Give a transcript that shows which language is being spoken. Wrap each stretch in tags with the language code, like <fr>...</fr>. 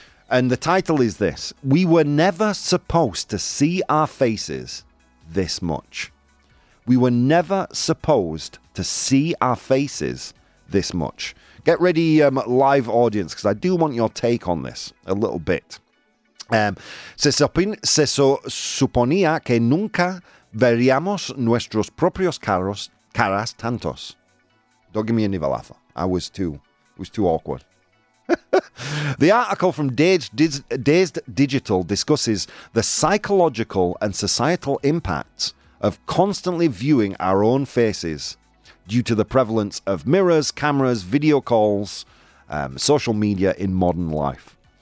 <en>And the title is this: We were never supposed to see our faces this much. We were never supposed to see our faces this much. Get ready, live audience, because I do want your take on this a little bit.</en> <es>Se suponía que nunca veríamos nuestros propios caras tantos.</es> <en>Don't give me a nivelazo. It was too awkward. The article from Dazed Digital discusses the psychological and societal impacts of constantly viewing our own faces due to the prevalence of mirrors, cameras, video calls, social media in modern life.</en>